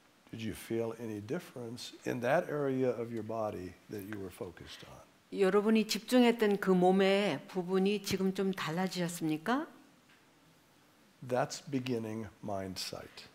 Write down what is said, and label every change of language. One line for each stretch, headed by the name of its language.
English: Did you feel any difference in that area of your body that you were focused on?
Korean: 여러분이 집중했던 그 몸의 부분이 지금 좀 달라지셨습니까?
English: That's beginning mind sight.